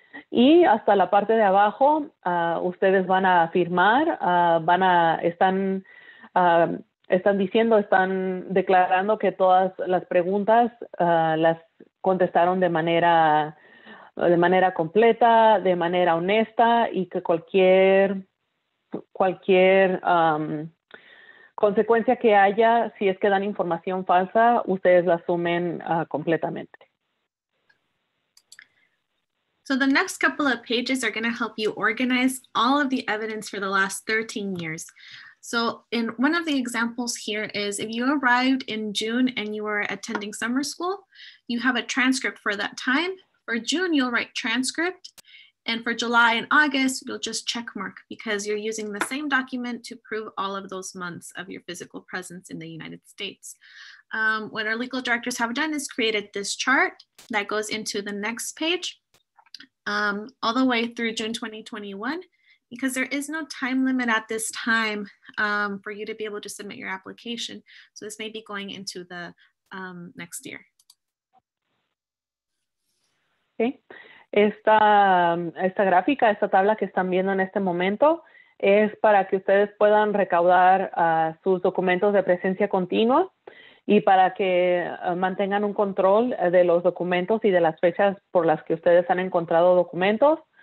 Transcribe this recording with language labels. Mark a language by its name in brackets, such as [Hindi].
[Spanish] Y hasta la parte de abajo, ustedes van a firmar, están declarando que todas las preguntas las contestaron de manera completa, de manera honesta, y que cualquier consecuencia que haya, si es que dan información falsa, ustedes la asumen completamente. [English] So the next couple of pages are going to help you organize all of the evidence for the last 13 years. So in one of the examples here is if you arrived in June and you were attending summer school, you have a transcript for that time. For June, you'll write transcript. And for July and August, you'll just check mark because you're using the same document to prove all of those months of your physical presence in the United States. What our legal directors have done is created this chart that goes into the next page. All the way through June 2021, because there is no time limit at this time for you to be able to submit your application. So this may be going into the next year. Okay. [Spanish] Esta gráfica, esta tabla que están viendo en este momento es para que ustedes puedan recaudar sus documentos de presencia continua y para que mantengan un control de los documentos y de las fechas por las que ustedes han encontrado documentos.